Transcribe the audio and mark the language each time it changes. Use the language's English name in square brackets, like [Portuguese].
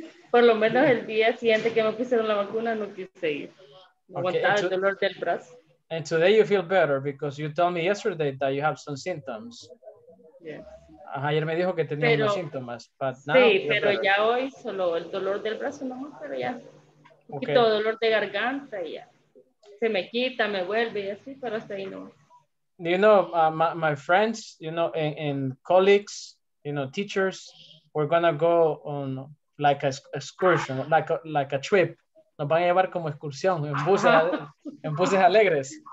[Spanish] Por lo menos el día siguiente que me pusieron la vacuna, no quise ir. Aguantaba el dolor del brazo. [English] And today you feel better because you told me yesterday that you have some symptoms. Yes. [Spanish] Ayer me dijo que tenía unos síntomas, [English] but now. [Spanish] Sí, pero [English] better. [Spanish] Ya hoy solo el dolor del brazo, no, pero ya. Okay. Un poquito de dolor de garganta y ya. Se me quita, me vuelve y así, pero hasta ahí no. [English] You know, my friends, you know, and colleagues, you know, teachers, we're going to go on like an excursion, like a trip. [Spanish] Nos van a llevar como excursión en buses alegres.